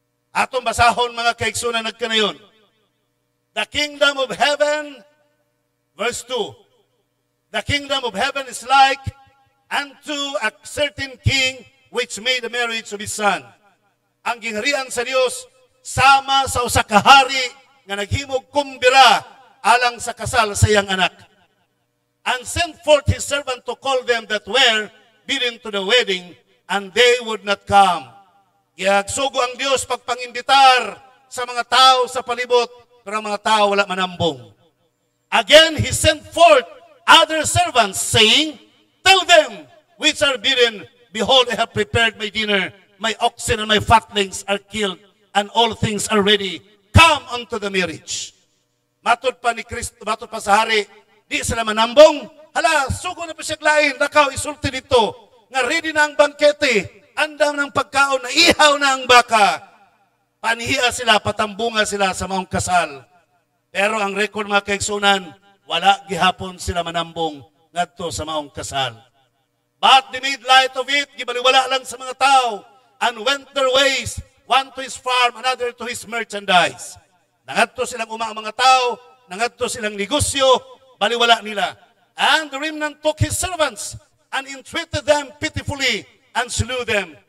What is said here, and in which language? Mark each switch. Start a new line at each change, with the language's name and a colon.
Cebuano: Atong basahon mga kaigsunan nagkanayon.
English: The kingdom of heaven, verse 2. The kingdom of heaven is like unto a certain king which made the marriage of his son.
Cebuano: Ang gingharian sa Dios sama sa usa ka hari nga naghimog kumbira alang sa kasal sa iyang anak.
English: And sent forth his servant to call them that were bidden to the wedding, and they would not come.
Cebuano: Giagsugo ang Dios pagpangimbitar sa mga tao sa palibot, pero ang mga tao wala manambong.
English: Again, he sent forth other servants, saying, tell them which are bidden, behold, I have prepared my dinner, my oxen and my fatlings are killed, and all things are ready. Come unto the marriage.
Cebuano: Matod pa ni Christ, matod pa sa hari, di sila manambong. Hala, sugo na pa siya lain, nakaw isulti dito, nga ready na ang bangkete, andam ng pagkaon, naihaw na ang baka. Panihia sila, patambunga sila sa maong kasal. Pero ang record mga kaigsunan, wala gihapon sila manambong ngadto sa maong kasal.
English: But they made light of it,
Cebuano: gibaliwala lang sa mga tao,
English: and went their ways, one to his farm, another to his merchandise.
Cebuano: Nangadto silang uma ang mga tao, nangadto silang negosyo, baliwala nila.
English: And the remnant took his servants and entreated them pitifully and slew them.